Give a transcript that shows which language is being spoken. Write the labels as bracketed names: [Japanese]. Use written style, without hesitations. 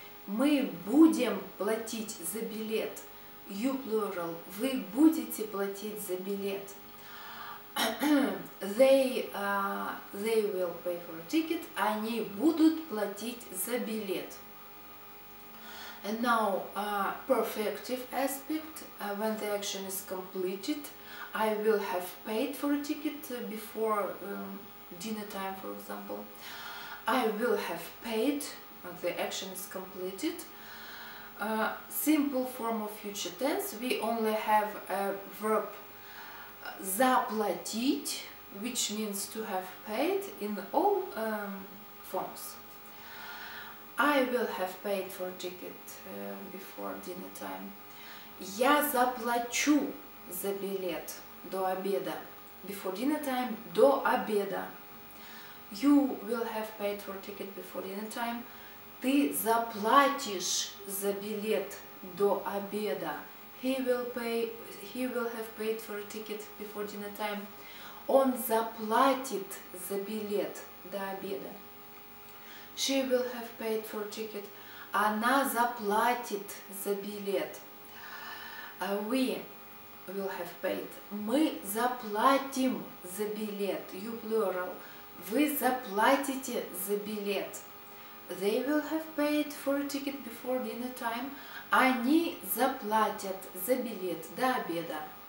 [Russian] Мы будем платить за билет. [English] You plural. [Russian] Вы будете платить за билет. [English] They will pay for a ticket. [Russian] Они будут платить за билет. [English] And now, perfective aspect. When the action is completed, I will have paid for a ticket before dinner time, for example. I will have paid. When the action is completed. Simple form of future tense. We only have a verb. Заплатить, which means to have paid in all forms. I will have paid for a ticket before dinner time. [Russian] Я заплачу за билет до обеда. [English] Before dinner time, [Russian] до обеда. [English] You will have paid for a ticket before dinner time. [Russian] Ты заплатишь за билет до обеда. [English] He will have paid for a ticket before dinner time. [Russian] Он заплатит за билет до обеда. [English] She will have paid for a ticket. [Russian] Она заплатит за билет. [English] We will have paid. [Russian] Мы заплатим за билет. [English] You plural. [Russian] Вы заплатите за билет. [English] They will have paid for a ticket before dinner time. [Russian] Они заплатят за билет до обеда.